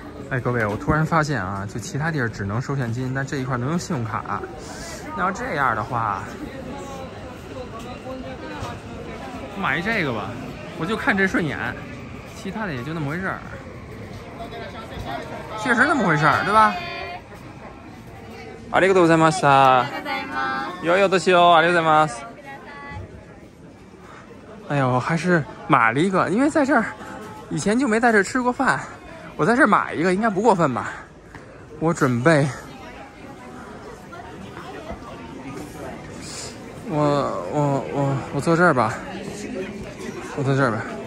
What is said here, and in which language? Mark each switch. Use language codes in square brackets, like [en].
[zh] 哎，各位，我突然发现啊，就其他地儿只能收现金，但这一块能用信用卡。那要这样的话，买这个吧，我就看这顺眼，其他的也就那么回事儿。确实那么回事儿，对吧？ [ja] ありがとうございました。よよどしよ、ありがとうございます。 [zh] 哎呦，还是买了一个，因为在这儿以前就没在这儿吃过饭，我在这儿买一个应该不过分吧？我准备，我坐这儿吧，我坐这儿吧。